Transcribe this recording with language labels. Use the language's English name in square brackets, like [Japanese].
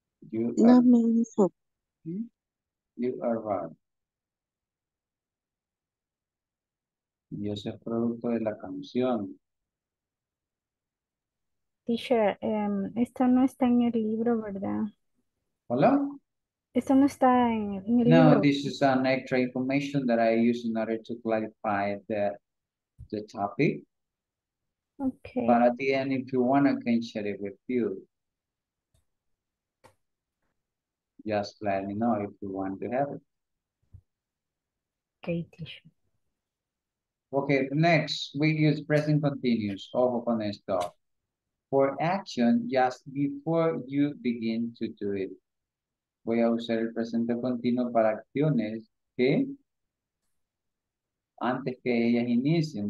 [Spanish] Y ese es producto de la canción. Teacher, esto no está en el libro, ¿verdad? Hola. Esto no está en el no, libro. [English] No, this is an extra information that I use in order to clarify the topic. Okay. But at the end, if you want, I can share it with you. Just let me know if you want to have it. Okay, teacher. Okay, next, we use present continuous. [Spanish] Ojo con esto. [English] For action, just before you begin to do it. [Spanish] Voy a usar el presente continuo para acciones que antes que ellas inicien.